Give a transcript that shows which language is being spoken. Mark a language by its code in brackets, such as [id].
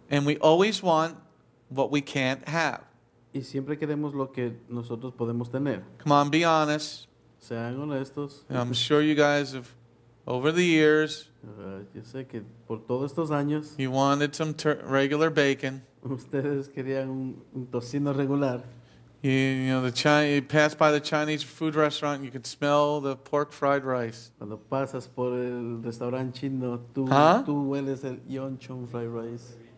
[en] And we always want what we can't have. [es] Y siempre queremos lo que nosotros podemos tener. [en] Come on, be honest. [es] Sean honestos. [en] And I'm sure you guys have, over the years, [es] yo sé que por todos estos años, [en] you wanted some regular bacon. [es] Ustedes querían un tocino regular. [en] You pass by the Chinese food restaurant, you could smell the pork fried rice. [es] Cuando pasas por el restaurante chino, tú hueles el yon chong [en] fried rice.